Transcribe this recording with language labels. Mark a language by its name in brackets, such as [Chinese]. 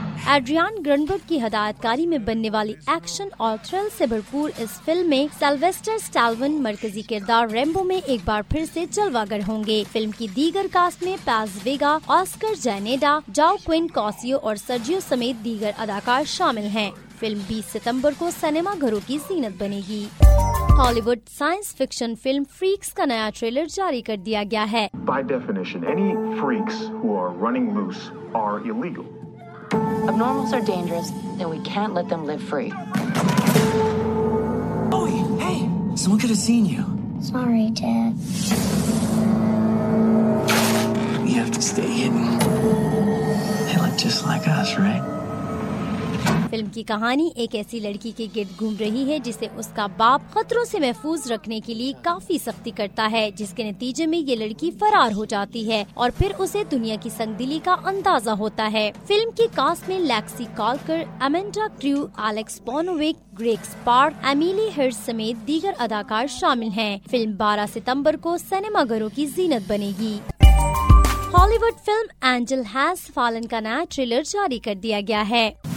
[Urdu] Adriaan گرنبرگ کی ہدایت کاری میں بننے والی ایکشن اور تھرل سے بھرپور اس فلم میں سلویسٹر سٹالون مرکزی کردار ریمبو میں ایک بار پھر سے جلوہ گر ہوں گے۔ فلم کی دیگر کاسٹ میں پاز ویگا، آسکر جینیڈا، جاؤ کوئن کوسیو اور سرجیو سمیت دیگر اداکار شامل ہیں۔ فلم 20 ستمبر کو سینما گھروں کی زینت بنے گی۔ ہالی would science fiction film freaks کا نیا ٹریلر جاری کر دیا گیا ہے۔ [English] Abnormals are dangerous, and we can't let them live free. Oi, hey! Someone could have seen you. Sorry, Dad. We have to stay hidden. They look just like us, right? [Urdu] Film کی کہانی ایک ایسی لڑکی کے گرد گھوم رہی ہے جسے اس کا باپ خطروں سے محفوظ رکھنے کے لیے کافی سختی کرتا ہے، جس کے نتیجے میں یہ لڑکی فرار ہو جاتی ہے اور پھر اسے دنیا کی سنگ دلی کا اندازہ ہوتا ہے۔ فلم کی کاسٹ میں لیکسی کالکر، امینڈا کریو، الیکس بونوک، گریکس پارک، ایمیلی ہرس سمیت دیگر اداکار شامل ہیں۔ فلم 12 ستمبر کو سینما گھروں کی زینت بنے گی۔ ہالی would film Angel has fallen کا نیا ٹریلر جاری کر دیا گیا ہے۔